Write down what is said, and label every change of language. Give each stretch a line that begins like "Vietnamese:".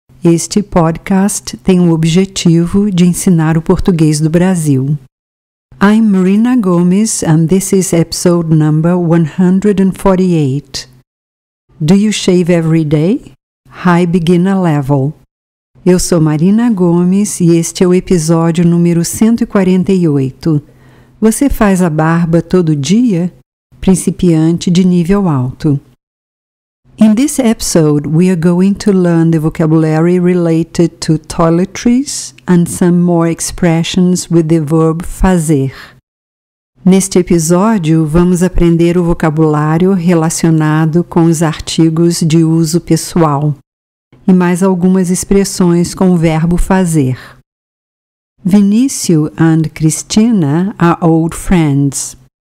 Portuguese: Este podcast tem o objetivo de ensinar o português do Brasil.
English: I'm Marina Gomes, and this is episode number 148. Do you shave every day? High beginner level.
Portuguese: Eu sou Marina Gomes e este é o episódio número 148. Você faz a barba todo dia? Principiante de nível alto.
English: In this episode, we are going to learn the vocabulary related to toiletries and some more expressions with the verb fazer.
Portuguese: Neste episódio, vamos aprender o vocabulário relacionado com os artigos de uso pessoal e mais algumas expressões com o verbo fazer.
English: Vinícius and Cristina are old friends.